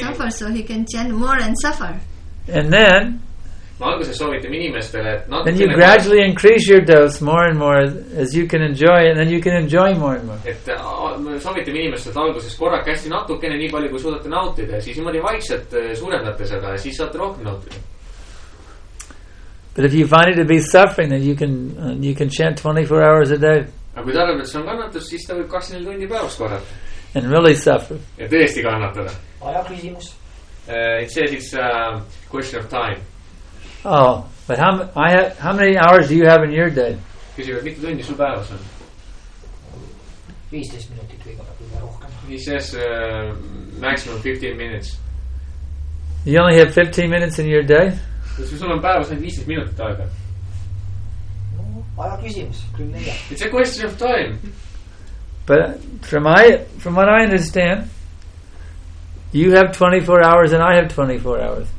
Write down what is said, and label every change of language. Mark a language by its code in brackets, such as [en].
[en] So he can chant more and suffer. And then you gradually increase your dose more and more as you can enjoy, and then you can enjoy more and more. [et] Et soovitame inimestele, et alguses korraga hästi natukene nii palju, kui suudate nautida, siis niimoodi vaikselt suurendate seda, siis saate rohkem nautida. [en] But if you find it to be suffering, then you can chant 24 hours a day. [et] Aga kui tarvab, et see on kannatus, siis ta võib 24 tundi päevas korrata. [en] And really suffer. [et] Ja tõesti kannatada. Aja küsimus. [en] It says it's a question of time. Oh, but how many hours do you have in your day? [et] Küsib, et mitu tundi sul päevas on? 15 minutit või kõige rohkem. [en] He says maximum 15 minutes. You only have 15 minutes in your day? [et] Kas sul on päevas ainult 15 minutit aega? Aja küsimus, küll neile. [en] It's a question of time. But from what I understand, you have 24 hours and I have 24 hours.